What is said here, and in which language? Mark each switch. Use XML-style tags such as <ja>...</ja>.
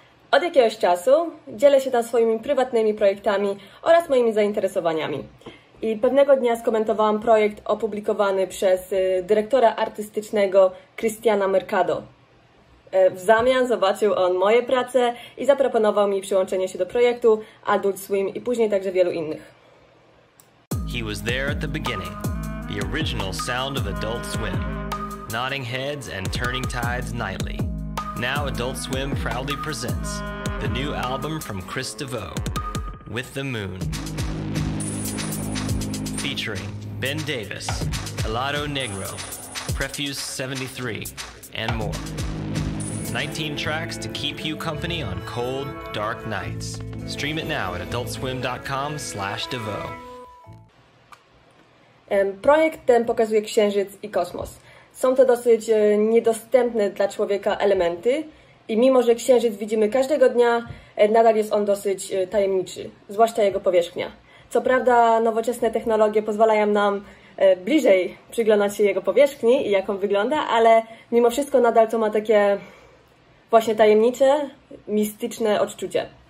<pl>Od jakiegoś czasu dzielę się tam swoimi prywatnymi projektami oraz moimi zainteresowaniami. I pewnego dnia skomentowałam projekt opublikowany przez dyrektora artystycznego Christiana Mercado. W zamian zobaczył on moje prace i zaproponował mi przyłączenie się do projektu Adult Swim i później także wielu innych.</pl> <en>He was there at the beginning. The original sound of Adult Swim. Nodding heads and turning tides nightly. Now Adult Swim proudly presents the new album from Chris Devo, With the Moon. Featuring Ben Davis, Helado Negro, Prefuse 73, and more. 19 tracks to keep you company on cold, dark nights. Stream it now at adultswim.com/devo.</en> <pl>Projekt ten pokazuje księżyc i kosmos. Są to dosyć niedostępne dla człowieka elementy i mimo, że księżyc widzimy każdego dnia, nadal jest on dosyć tajemniczy, zwłaszcza jego powierzchnia. Co prawda nowoczesne technologie pozwalają nam bliżej przyglądać się jego powierzchni i jak on wygląda, ale mimo wszystko nadal to ma takie właśnie tajemnicze, mistyczne odczucie.</pl>